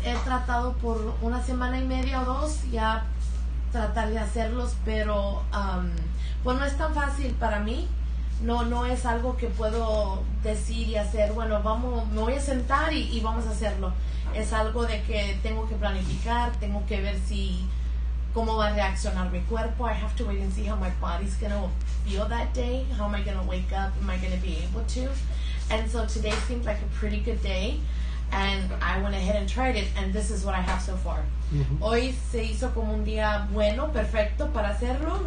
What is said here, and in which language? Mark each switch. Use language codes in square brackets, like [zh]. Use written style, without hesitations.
[es] He tratado por una semana y media o dos ya tratar de hacerlos, pero pues no es tan fácil para mí. No es algo que puedo decir y hacer, bueno, me voy a sentar y vamos a hacerlo. Es algo de que tengo que planificar, tengo que ver si cómo va a reaccionar mi cuerpo. [en] I have to wait and see how my body's going to feel that day. How am I going to wake up? Am I going to be able to? And so today seemed like a pretty good day. And I went ahead and tried it. And this is what I have so far. Mm-hmm. [es] Hoy se hizo como un día bueno, perfecto para hacerlo.